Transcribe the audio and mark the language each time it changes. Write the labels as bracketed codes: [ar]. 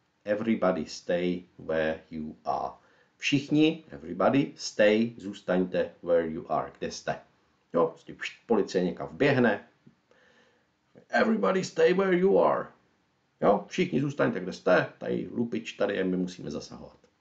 [en] Everybody stay where you are. [cs] Všichni, [en] everybody, stay, [cs] zůstaňte [en] where you are, [cs] kde jste. Jo, prostě policie někam vběhne. [en] Everybody stay where you are. [cs] Jo, všichni zůstaňte, kde jste. Tady lupič, tady je, my musíme zasahovat.